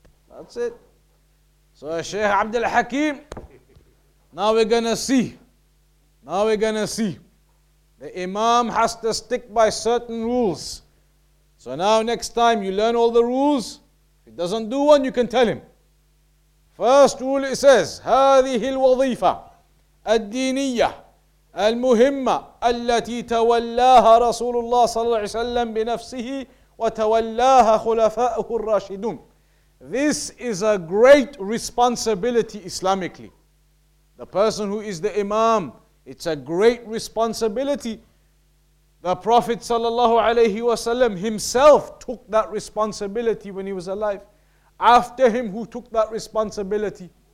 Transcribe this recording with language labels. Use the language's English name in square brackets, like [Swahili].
[English] That's it. So Sheikh Abdul Hakim. Now we're going to see. The imam has to stick by certain rules. So now next time you learn all the rules. If he doesn't do one, you can tell him. First rule, it says, [Arabic] هذه الوظيفة الدينية المهمة التي تولاها رسول الله صلى الله عليه وسلم بنفسه وتولاها خلفاؤه الراشدون. [English] This is a great responsibility Islamically. The person who is the imam, it's a great responsibility. The Prophet sallallahu alayhi wasallam himself took that responsibility when he was alive. After him, who took that responsibility?